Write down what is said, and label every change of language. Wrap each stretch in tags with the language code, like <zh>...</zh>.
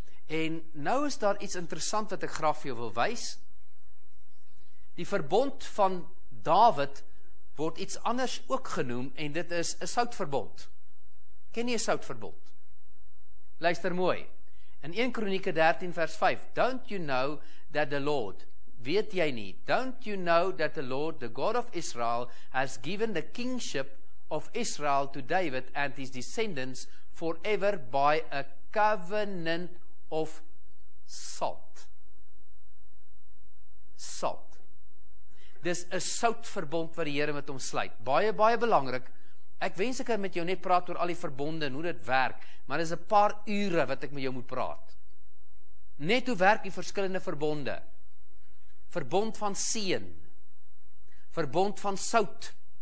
<af>En nou is daar iets interessant wat ek graag vir jou wil wys. Die verbond van Dawid word iets anders ook genoem, en dit is 'n soutverbond. Ken jy 'n soutverbond? Luister mooi. In 1 Kronieke 13 vers 5,</af> <en>"Don't you know that the Lord,"</en> <af>weet jy nie,</af> <en>"don't you know that the Lord, the God of Israel, has given the kingship of Israel to David and his descendants forever by a covenant of salt." Salt.</en> <af>Dis 'n soutverbond wat die Here met hom sluit. Baie, baie belangrik. Ek wens ek kan met jou net praat oor al die verbonde en hoe dit werk, maar dis 'n paar ure wat ek met jou moet praat. Net hoe werk die verskillende verbonde? Verbond van seën. Verbond van sout.</af>